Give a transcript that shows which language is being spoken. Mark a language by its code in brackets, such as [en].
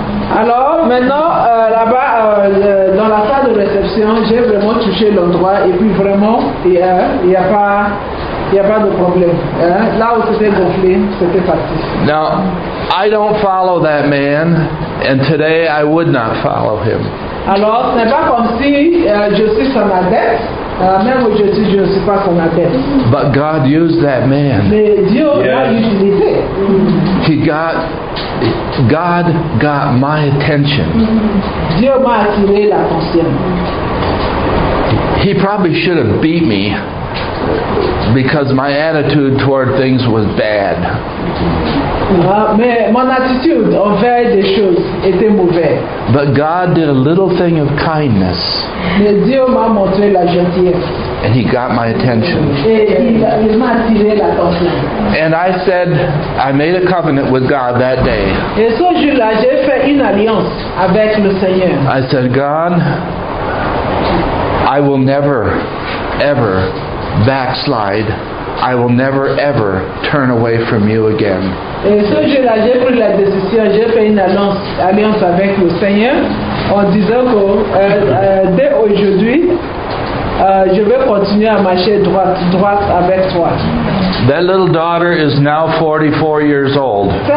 [fr] Alors maintenant là-bas dans la salle de réception, j'ai vraiment touché l'endroit et puis vraiment il y a pas de problème. Là où c'était gonflé, c'était parti. [en] Now, I don't follow that man, and today I would not follow him. [fr] Alors, ce n'est pas comme si je suis son adepte. Même aujourd'hui, je ne suis pas son adepte. [en] But God used that man. [fr] Mais Dieu l'a utilisé. [en] God got my attention. [fr] Dieu m'a attiré l'attention. [en] He probably should have beat me because my attitude toward things was bad. [fr] Mais mon attitude envers des choses était mauvaise. [en] But God did a little thing of kindness. [fr] Mais Dieu m'a montré la gentillesse. [en] And he got my attention. [fr] Et il m'a attiré l'attention. [en] And I said, I made a covenant with God that day. [fr] Et ce jour-là, j'ai fait une alliance avec le Seigneur. [en] I said, God, I will never, ever backslide. I will never, ever turn away from you again. [fr] Et ce jour-là, j'ai pris la décision, j'ai fait une alliance avec le Seigneur en disant que dès aujourd'hui, je vais continuer à marcher droite avec toi. [en] That little daughter is now 44 years old.